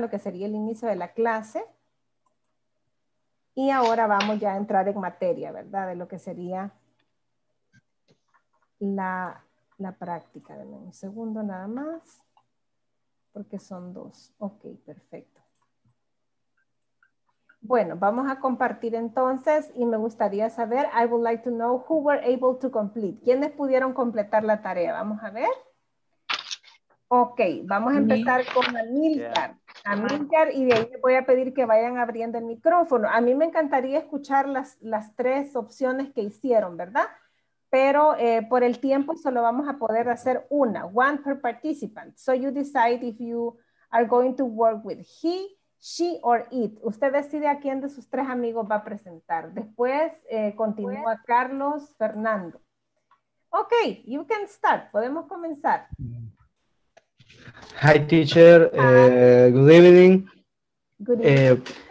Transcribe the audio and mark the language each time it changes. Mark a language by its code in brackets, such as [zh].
[es] Lo que sería el inicio de la clase. Y ahora vamos ya a entrar en materia, ¿verdad? De lo que sería la práctica. Denme un segundo nada más, porque son dos. Ok, perfecto. Bueno, vamos a compartir entonces y me gustaría saber, [en] I would like to know who were able to complete. [es] ¿Quiénes pudieron completar la tarea? Vamos a ver. Ok, vamos a empezar con Amílcar. Amílcar, y de ahí voy a pedir que vayan abriendo el micrófono. A mí me encantaría escuchar las tres opciones que hicieron, ¿verdad? Pero por el tiempo solo vamos a poder hacer una, [en] one per participant. So you decide if you are going to work with he, she or it. [es] Usted decide a quién de sus tres amigos va a presentar. Después continúa Carlos, Fernando. [en] Ok, you can start. [es] Podemos comenzar. [en] Hi, teacher. Hi. Good evening. Good evening.